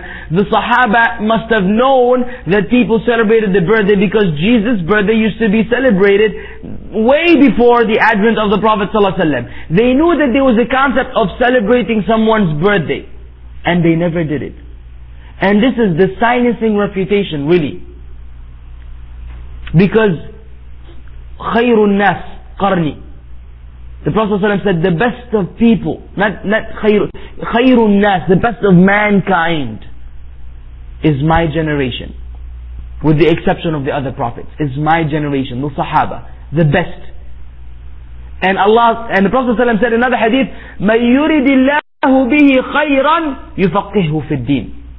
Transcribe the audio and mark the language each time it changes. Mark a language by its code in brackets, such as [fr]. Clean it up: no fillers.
[en] The Sahaba must have known that people celebrated the birthday because Jesus' birthday used to be celebrated way before the advent of the Prophet ﷺ. They knew that there was a concept of celebrating someone's birthday. And they never did it. And this is the silencing refutation, really. Because [ar] خَيْرُ النَّاسِ قَرْنِي. [en] The Prophet ﷺ said, the best of people, not [ar] خَيْرُ النَّاسِ, [en] the best of mankind is my generation. With the exception of the other prophets, is my generation, the Sahaba, the best. And Allah, and the Prophet ﷺ said in another hadith, [ar] مَن يُرِدِ اللَّهُ بِهِ خَيْرًا يُفَقِّهُ فِي الدِّينِ.